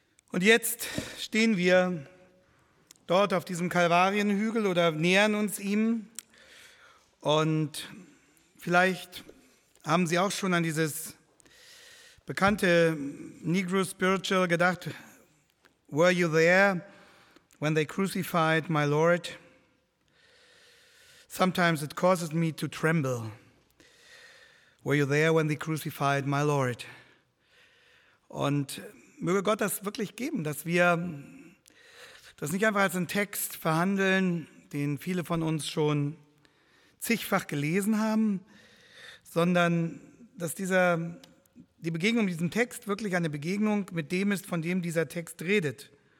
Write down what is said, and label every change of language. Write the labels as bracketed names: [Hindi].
[German] Und jetzt stehen wir dort auf diesem Kalvarienhügel oder nähern uns ihm. Und vielleicht haben Sie auch schon an dieses bekannte Negro Spiritual gedacht. [English] Were you there when they crucified my Lord? Sometimes it causes me to tremble. Were you there when they crucified my Lord? [German] Und möge Gott das wirklich geben, dass wir das nicht einfach als einen Text verhandeln, den viele von uns schon zigfach gelesen haben, sondern dass die Begegnung mit diesem Text wirklich eine Begegnung mit dem ist, von dem dieser Text redet.